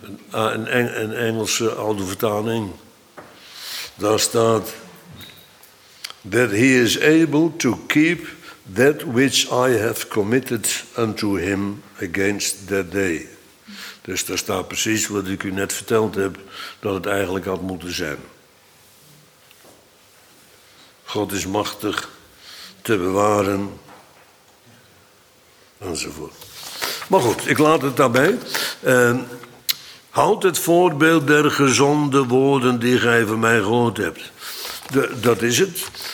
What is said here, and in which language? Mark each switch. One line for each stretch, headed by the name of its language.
Dutch: Een Engelse oude vertaling. Daar staat,
English: that he is able to keep that which I have committed unto him against that day.
Dutch: Dus daar staat precies wat ik u net verteld heb, dat het eigenlijk had moeten zijn. God is machtig te bewaren enzovoort. Maar goed, ik laat het daarbij. Houd het voorbeeld der gezonde woorden die gij van mij gehoord hebt. Dat is het.